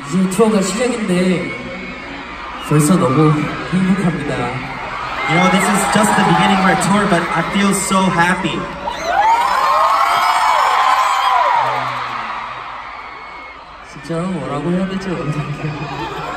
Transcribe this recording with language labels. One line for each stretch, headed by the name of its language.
Korean: 투어가 시작인데 벌써 너무 행복합니다.
English: You know, this is just the beginning of our tour, but I feel so happy.
Korean: 진짜 뭐라고 해야 될지 모르겠는데.